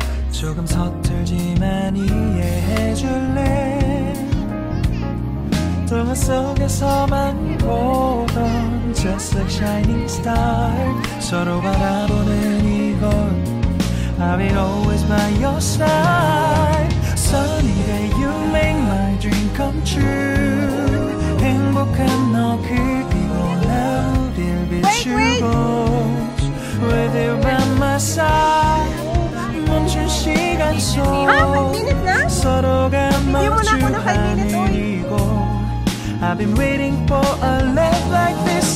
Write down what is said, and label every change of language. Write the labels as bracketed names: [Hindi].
[Korean] 조금 서툴지만 이해해줄래. 동화 속에서만 보던 [English] just a shining star. [Korean] 서로 바라보는 이곳 [English] I will always by your side. Sunny day you make my dream come true. [Korean] 행복한 너 그리고 나를 빌 비추고 [English] with you by my side. [Korean] 멈춘 시간 속 서로가 멈추는 이곳 [English] I've been waiting for a love like this.